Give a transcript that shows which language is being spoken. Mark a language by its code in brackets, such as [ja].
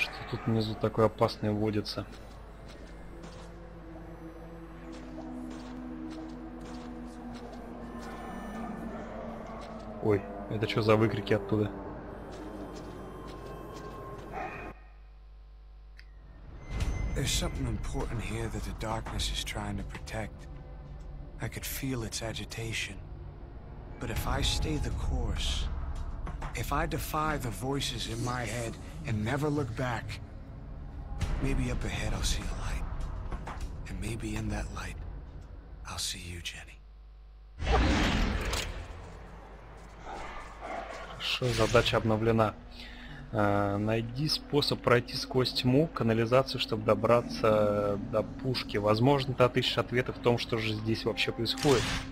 [ru] Тут внизу такой опасный водится. Ой, это что за выкрики оттуда? [en] There's something important here that the darkness is trying to protect. I could feel its agitation. But if I stay the course, if I defy the voices in my head and never look back. Maybe up ahead I'll see a light. And maybe in that light, I'll see you, Jenny. [ru] Хорошо, задача обновлена. Найди способ пройти сквозь тьму, канализацию, чтобы добраться до пушки. Возможно, ты отыщешь ответы в том, что же здесь вообще происходит.